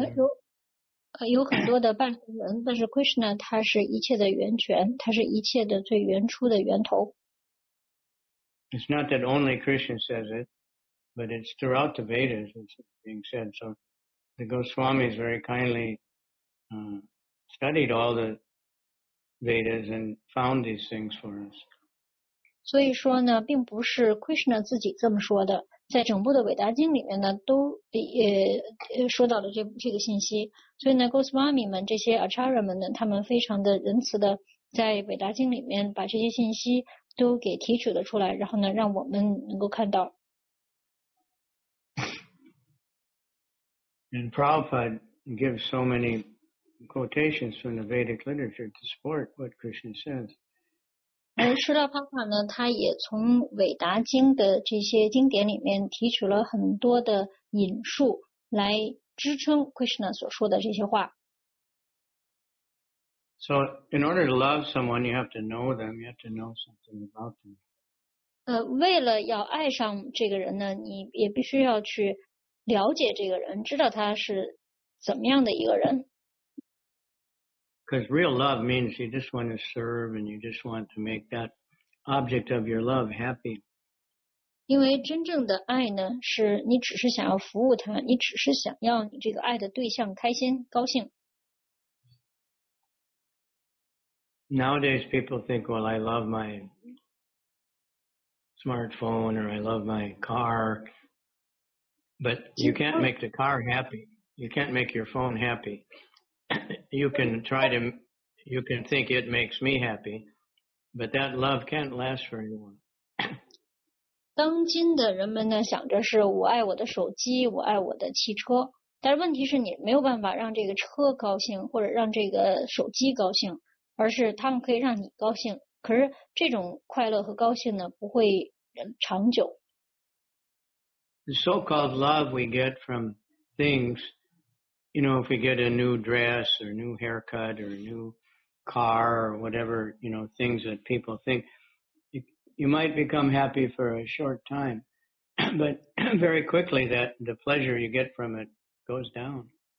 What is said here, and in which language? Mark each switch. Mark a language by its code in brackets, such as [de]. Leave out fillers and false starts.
[en] them. [zh] 有很多的半神人，但是 Krishna 他是一切的源泉，他是一切的最原初的源头。 [en] It's not that only Krishna says it, but it's throughout the Vedas it's being said. So the Goswamis very kindly studied all the Vedas and found these things for us. [zh] 所以说呢，并不是 Krishna 自己这么说的，在整部的伟达经里面呢，都说到了这个信息。所以呢 ，Goswami 们这些 Acharya 们呢，他们非常的仁慈的在伟达经里面把这些信息。都给提取了出来，然后呢，让我们能够看到。 [en] And Prabhupada gives so many quotations from the Vedic literature to support what Krishna says. [zh] 说到 Prabhupada 呢，他也从韦达经的这些经典里面提取了很多的引述来支撑 Krishna 所说的这些话。 [en] So in order to love someone, you have to know them. You have to know something about them. [zh] 为了要爱上这个人呢，你也必须要去了解这个人，知道他是怎么样的一个人。 [en] Because real love means you just want to serve and you just want to make that object of your love happy. [zh] 因为真正的爱呢，是你只是想要服务他，你只是想要你这个爱的对象开心高兴。 [en] Nowadays, people think, well, I love my smartphone or I love my car. But you can't make the car happy. You can't make your phone happy. You can think it makes me happy, But that love can't last for anyone. [zh] 当今的人们呢，想着是我爱我的手机，我爱我的汽车，但问题是你没有办法让这个车高兴，或者让这个手机高兴，而是他们可以让你高兴。可是这种快乐和高兴呢，不会长久。 [en] The so-called love we get from things, you know, if we get a new dress or a new haircut or a new car or whatever, you know, things that people think, you might become happy for a short time, but very quickly that the pleasure you get from it goes down.